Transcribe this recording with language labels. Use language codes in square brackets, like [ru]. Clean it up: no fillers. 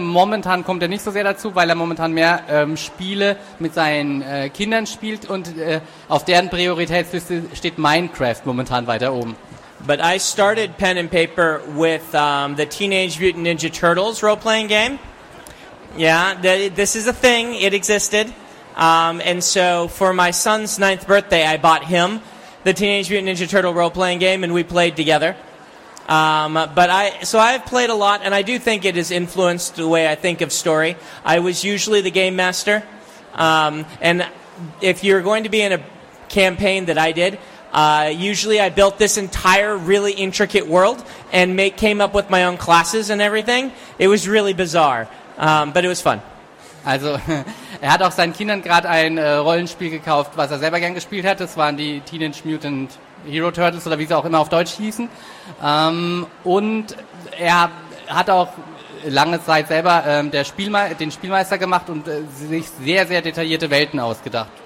[de] Momentan kommt er nicht so sehr dazu, weil er momentan mehr Spiele mit seinen Kindern spielt und auf deren Prioritätsliste steht Minecraft momentan weiter oben. [en] But I started Pen and Paper with the Teenage Mutant Ninja Turtles role-playing game. Yeah, this is a thing. It existed. And so for my son's ninth birthday, I bought him the Teenage Mutant Ninja Turtle role-playing game, and we played together. So I've played a lot, and I do think it has influenced the way I think of story. I was usually the game master. And if you're going to be in a campaign that I did, usually I built this entire really intricate world and came up with my own classes and everything. It was really bizarre, but it was fun. [de] Also, er hat auch seinen Kindern gerade ein Rollenspiel gekauft, was er selber gern gespielt hat. Das waren die Teenage Mutant Hero Turtles oder wie sie auch immer auf Deutsch hießen. Und er hat auch lange Zeit selber den Spielmeister gemacht und sich sehr, sehr detaillierte Welten ausgedacht.